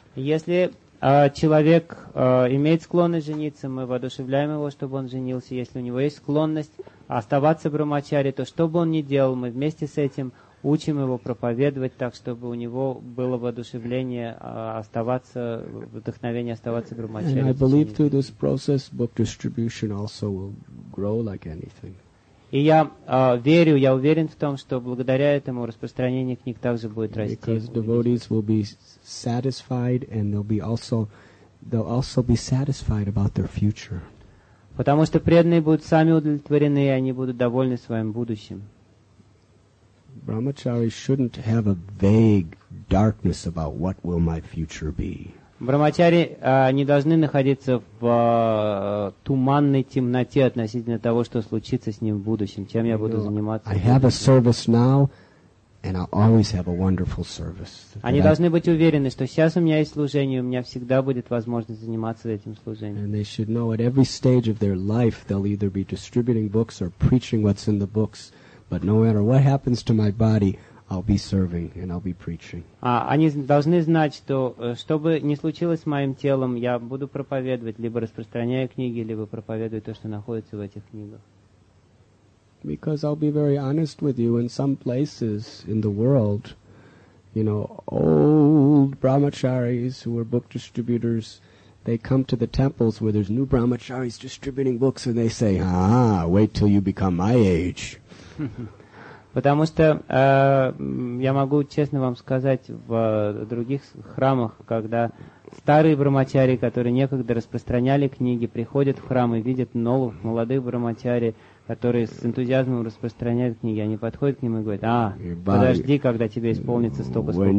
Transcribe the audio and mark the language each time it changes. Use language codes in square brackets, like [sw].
[ru] Если человек имеет склонность жениться, мы воодушевляем его, чтобы он женился. Если у него есть склонность оставаться брахмачари, то что бы он ни делал, мы вместе с этим учим его проповедовать так, чтобы у него было воодушевление оставаться, вдохновение оставаться брахмачари. [en] And I believe through this process, book distribution also will grow like anything. [ru] И я верю, я уверен в том, что благодаря этому распространение книг также будет расти. [en] Because devotees will be satisfied and they'll also be satisfied about their future. [ru] Потому что преданные будут сами удовлетворены, и они будут довольны своим будущим. [en] Brahmachari shouldn't have a vague darkness about what will my future be. [ru] Брахмачари не должны находиться в туманной темноте относительно того, что случится с ним в будущем, чем я буду заниматься. [en] I have a service now, and I always have a wonderful service. [ru] Они должны быть уверены, что сейчас у меня есть служение, у меня всегда будет возможность заниматься этим служением. [en] And they should know at every stage of their life they'll either be distributing books or preaching what's in the books, but no matter what happens to my body, I'll be serving and I'll be preaching. [ru] Они должны знать, что что бы ни случилось с моим телом, я буду проповедовать, либо распространяя книги, либо проповедуя то, что находится в этих книгах. [en] Because I'll be very honest with you, in some places in the world, you know, old brahmacharis who are book distributors, they come to the temples where there's new brahmacharis distributing books and they say, ah, wait till you become my age. [ru] Потому что я могу честно вам сказать, в других храмах, когда старые брахмачари, которые некогда распространяли книги, приходят в храм и видят новых, молодых брахмачари, которые с энтузиазмом распространяют книги, они подходят к ним и говорят, а, подожди, когда тебе исполнится столько,